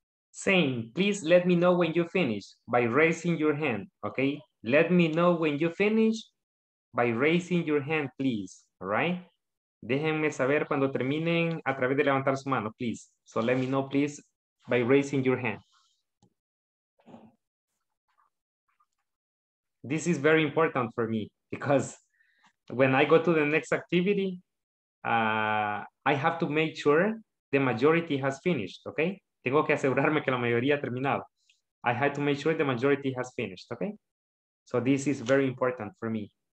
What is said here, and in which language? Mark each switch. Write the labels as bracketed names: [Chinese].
[English] saying, please let me know when you finish by raising your hand, okay? Let me know when you finish by raising your hand, please, all right? [Spanish] Déjenme saber cuando terminen a través de levantar su mano, please. [English] So let me know, please, by raising your hand. This is very important for me because when I go to the next activity, I have to make sure the majority has finished, okay? [Spanish] Tengo que asegurarme que la mayoría ha terminado. [English] I have to make sure the majority has finished, okay? So this is very important for me.